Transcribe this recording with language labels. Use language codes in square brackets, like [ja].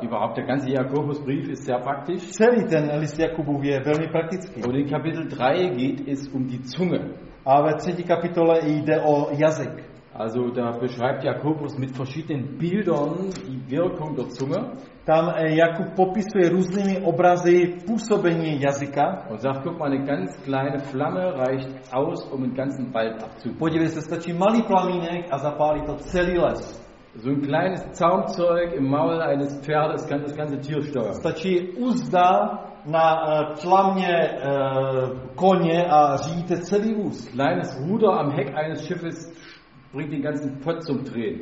[de] Überhaupt der ganze Jakobusbrief ist sehr praktisch. [cs] Celý ten list Jakubův je velmi praktický. [de] Und in Kapitel 3 geht es um die Zunge. [cs] A ve třetí kapitole jde o jazyk. [de] Also da beschreibt Jakobus mit verschiedenen Bildern die Wirkung der Zunge. [cs] Tam Jakub popisuje různými obrazy působení jazyka. [de] Und sagt, guck mal, eine ganz kleine Flamme reicht aus, um einen ganzen Wald abzupalen. [cs] Podívej se, stačí malý plamínek a zapálí to celý les. [de] So ein kleines Zaumzeug im Maul eines Pferdes kann das ganze Tier steuern. [cs] Stačí uzda na tlamě koně a řídíte celý vůz. [de] Kleines Ruder am Heck eines Schiffes bringt den ganzen Pott zum Drehen.